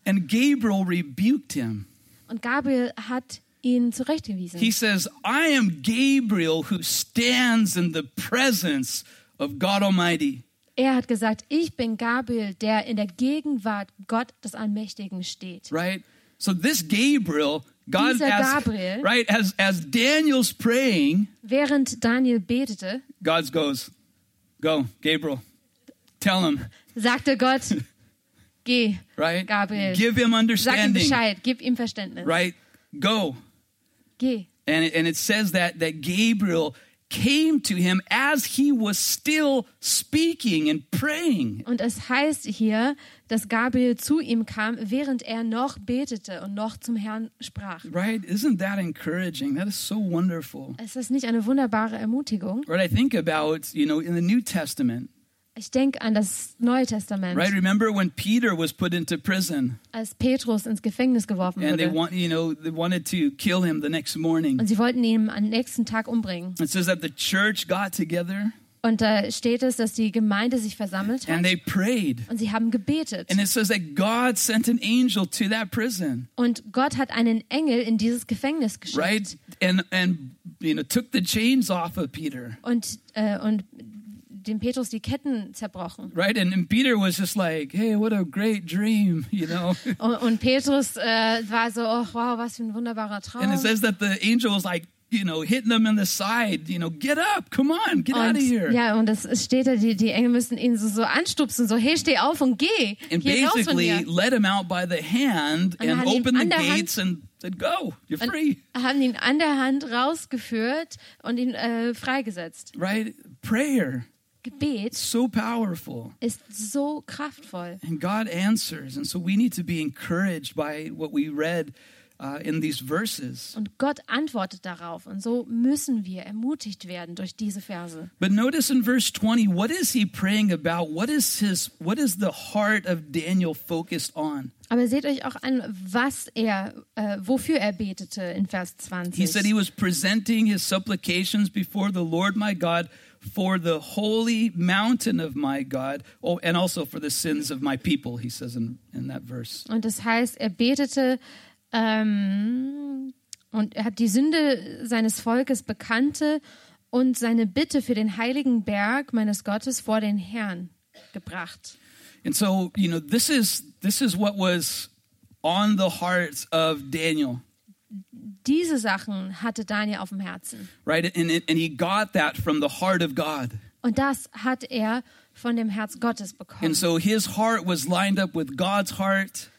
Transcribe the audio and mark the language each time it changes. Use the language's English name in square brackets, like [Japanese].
[English] And Gabriel rebuked him. [German] Und Gabriel hat ihn zurechtgewiesen. [English] He says, "I am Gabriel who stands in the presence of God Almighty." [German] Er hat gesagt, ich bin Gabriel, der in der Gegenwart Gott des Allmächtigen steht. [English] Right. So this Gabriel, God as Gabriel, right as Daniel's praying, [German] während Daniel betete, [English] God goes, "Go, Gabriel. Tell him." [German] Sagte Gott, "Geh, right? Gabriel. [English] Give him understanding. [German] Sag ihm Bescheid, gib ihm Verständnis." [English] Right. Go. [German] Geh. [English] And it says that Gabriel came to him as he was still speaking and praying. [German] Und es heißt hier, dass Gabriel zu ihm kam, während noch betete und noch zum Herrn sprach. [English] Right? Isn't that encouraging? That is so wonderful. [German] Ist das nicht eine wunderbare Ermutigung? [English] Right, I think about, you know, in the New Testament. [German] Ich denke an das Neue Testament. [English] Right, remember when Peter was put into prison? [German] Als Petrus ins Gefängnis geworfen [English] and [German] wurde. [English] And they wanted to kill him the next morning. [German] Und sie wollten ihn am nächsten Tag umbringen. [English] It says that the church got together. [German] Und da steht es, dass die Gemeinde sich versammelt hat. [English] And they prayed. [German] Und sie haben gebetet. [English] And it says that God sent an angel to that prison. [German] Und Gott hat einen Engel in dieses Gefängnis geschickt. [English] Right, and you know, took the chains off of Peter. [German] Und dem Petrus die Ketten zerbrochen. [English] Right, and Peter was just like, "Hey, what a great dream, you know." [German] Und Petrus war so, "Oh, wow, was für ein wunderbarer Traum." [English] And it says that the angel was like, you know, hitting them in the side, you know, "Get up, come on, get out of here." [German] Ja, und es steht da, die Engel müssen ihn so anstupsen, so, "Hey, steh auf und geh." [English] And basically led him out by the hand and opened the gates and said, "Go, you're free." [German] Haben ihn an der Hand rausgeführt und ihn freigesetzt. [English] Right, prayer. [German] Gebet [English] so powerful. [German] Ist so kraftvoll. [English] And God answers, and so we need to be encouraged by what we read in these verses. [German] Und Gott antwortet darauf, und so müssen wir ermutigt werden durch diese Verse. [English] But notice in verse 20, what is he praying about? What is the heart of Daniel focused on? [German] Aber seht euch auch an, was wofür er betete in Vers 20. [English] He said he was presenting his supplications before the Lord my God. For the holy mountain of my God, oh, and also for the sins of my people, he says in that verse. [German] Und das heißt, er betete und er hat die Sünde seines Volkes bekannte und seine Bitte für den heiligen Berg meines Gottes vor den Herrn gebracht. [English] And so, you know, this is what was on the hearts of Daniel. [German] Diese Sachen hatte Daniel auf dem Herzen. [English] Right, and he got that from the heart of God. [German] Und das hat von dem Herz Gottes bekommen. [English] And so his heart was lined up with God's heart.